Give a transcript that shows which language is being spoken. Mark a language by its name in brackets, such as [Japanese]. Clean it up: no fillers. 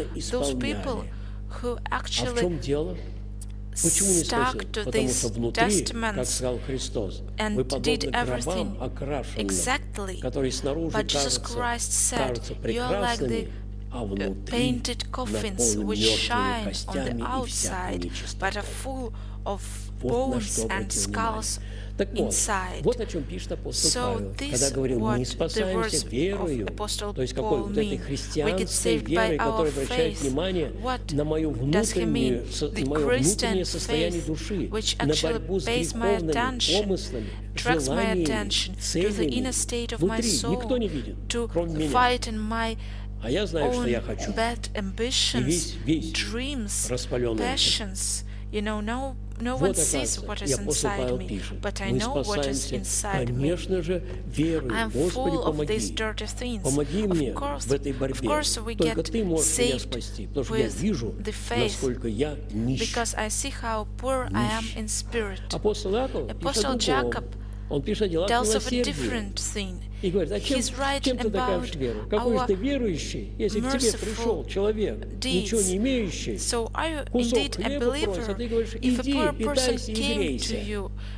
[English] Those people who actually stuck to these testaments and did everything exactly. But Jesus Christ said, you are like the painted coffins which shine on the outside, but are full of bones and skulls inside. [Russian] Вот о чём пишет апостол Павел, когда говорил, мы спасаемся верою, то есть какой вот этой христианской верой, которая обращает внимание на моё внутреннее состояние души, на борьбу с греховными помыслами, желаниями, целями внутри. Никто не видит, кроме меня. А я знаю, что я хочу. И весь [English] dreams, [Russian] распалённый [English] passions, you know, no one sees what is inside me, but I know what is inside me. I am full of these dirty things. Of course, we get saved with the faith, because I see how poor I am in spirit. Apostle Jacob tells of a different thing. [Russian] И говорит, а чем, чем ты докажешь веру? Какой же ты верующий, если к тебе пришел человек, ничего не имеющий, [English] so [Russian] кусок хлеба просит, а ты говоришь, иди, питайся и грейся.